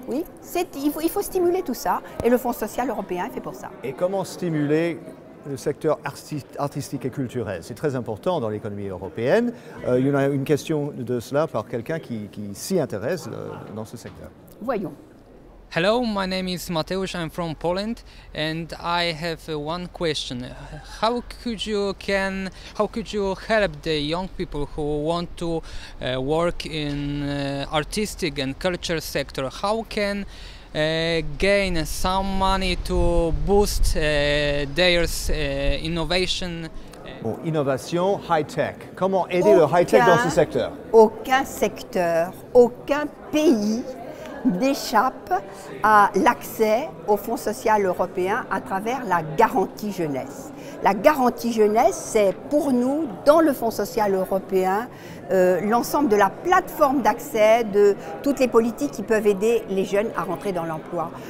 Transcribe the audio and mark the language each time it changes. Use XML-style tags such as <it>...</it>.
<fr>Oui, il faut stimuler tout ça, et le Fonds social européen est fait pour ça. Et comment stimuler le secteur artistique et culturel, c'est très important dans l'économie européenne. Il y en a une question de cela par quelqu'un qui s'y intéresse dans ce secteur. Voyons.</fr> <en>Hello, my name is Mateusz. I'm from Poland, and I have one question. How could you help the young people who want to work in artistic and culture sector? How can gain some money to boost their innovation.</en> <fr>Bon, innovation, high-tech. Comment aider le high-tech dans ce secteur ? Aucun secteur, aucun pays n'échappe à l'accès au Fonds social européen à travers la garantie jeunesse. La garantie jeunesse, c'est pour nous, dans le Fonds social européen, l'ensemble de la plateforme d'accès de toutes les politiques qui peuvent aider les jeunes à rentrer dans l'emploi.</fr>